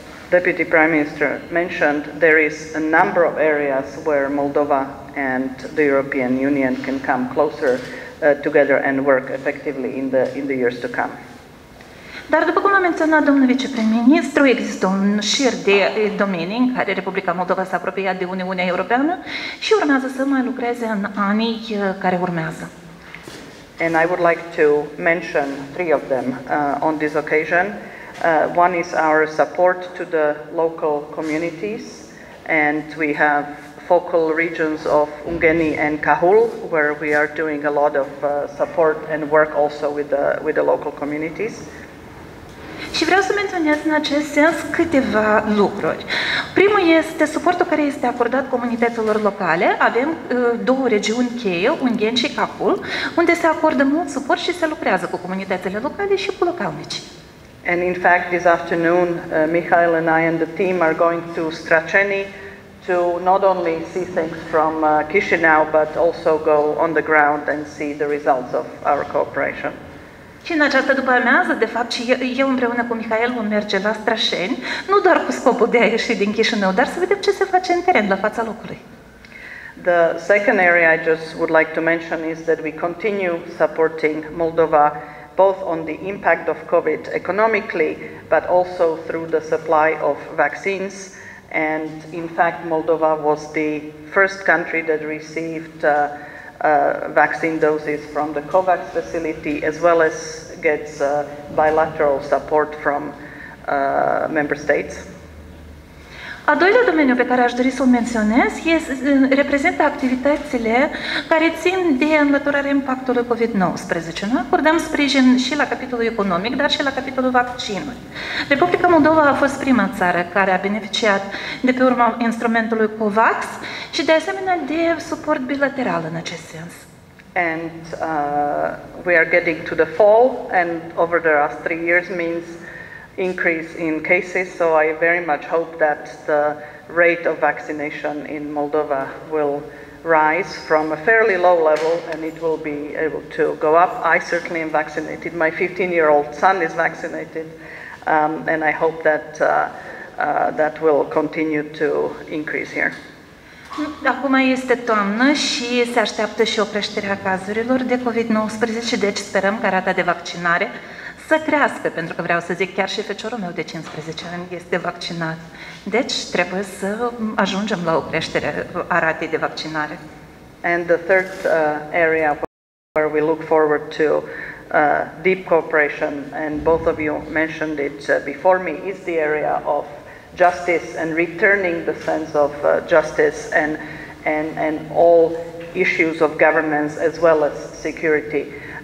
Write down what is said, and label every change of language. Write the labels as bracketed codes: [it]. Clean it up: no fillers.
[en] Deputy Prime Minister mentioned there is a number of areas where Moldova and the European Union can come closer together and work effectively in the years to come. [ro] Dar după cum a menționat domnul viceprim-ministru, există un șir de domenii în care Republica Moldova s-a apropiat de Uniunea Europeană și urmează să mai lucreze în anii care urmează. [en] And I would like to mention three of them on this occasion. One is our support to the local communities, and we have focal regions of Ungheni and Kahul, where we are doing a lot of support and work also with the local communities. [ro] Și vreau să menționez în acest sens câteva lucruri. Primul este suportul care este acordat comunităților locale. Avem două regiuni cheie, Ungheni și Kahul, unde se acordă mult suport și se lucrează cu comunitățile locale și cu localnicii. [en] And in fact, this afternoon, Mihail and I and the team are going to Străceni to not only see things from Chișinău, but also go on the ground and see the results of our cooperation. [ro] Și în această după-amiază, de fapt, și eu împreună cu Mihail vom merge la Străceni, nu doar cu scopul de a ieși din Chișinău, dar să vedem ce se face în teren, la fața locului. [en] The second area I just would like to mention is that we continue supporting Moldova both on the impact of COVID economically, but also through the supply of vaccines. And in fact, Moldova was the first country that received vaccine doses from the COVAX facility, as well as gets bilateral support from member states. [ro] Al doilea domeniu pe care aș dori să-l menționez reprezintă activitățile care țin de înlăturarea impactului COVID-19. Noi acordăm sprijin și la capitolul economic, dar și la capitolul vaccinului. Republica Moldova a fost prima țară care a beneficiat de pe urma instrumentului COVAX și de asemenea de suport bilateral în acest sens. [en] And we are getting to the fall and over the last 3 years means increase in cases, so I very much hope that the rate of vaccination in Moldova will rise from a fairly low level and it will be able to go up. I certainly am vaccinated. My 15-year-old son is vaccinated, and I hope that that will continue to increase here. [ro] Acum este toamnă și se așteaptă și o creștere a cazurilor de COVID-19, deci sperăm că rata de vaccinare să crească, pentru că vreau să zic, chiar și feciorul meu de 15 ani este vaccinat. Deci trebuie să ajungem la o creștere a ratei de vaccinare. [en] And the third area where we look forward to deep cooperation, and both of you mentioned it before me, is the area of justice and returning the sense of justice and all issues of governance as well as security.